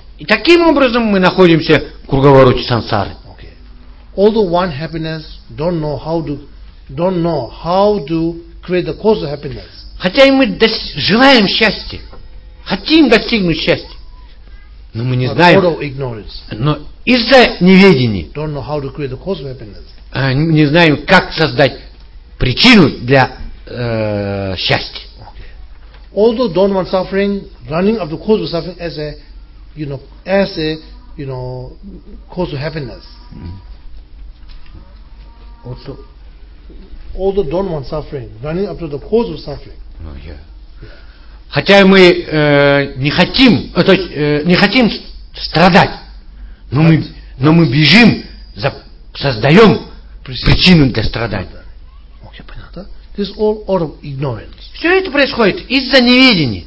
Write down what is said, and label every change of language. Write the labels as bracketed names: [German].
[Russian] И таким образом мы находимся в круговороте сансары. [English] Okay. Although one happiness don't know how to don't know how to create the cause of happiness. [Russian] Хотя мы желаем счастья, хотим достигнуть счастья, но мы не знаем. [English] Out of ignorance. [Russian] Но из-за неведения. [English] Don't know how to create the cause of happiness. [Russian] Не знаем, как создать причину для счастья. [English] Okay. Although don't want suffering, running after the cause of suffering as a, you know, as a, you know, cause of happiness. Also. Although don't want suffering, running after the cause of suffering. Oh, yeah. Yeah. [Russian] Хотя мы не хотим, то есть не хотим страдать, но but, мы бежим, создаем причину для страдания. [English] Okay, [Russian] понятно? [English] This is all out of ignorance. [Russian] Все это происходит из-за неведения.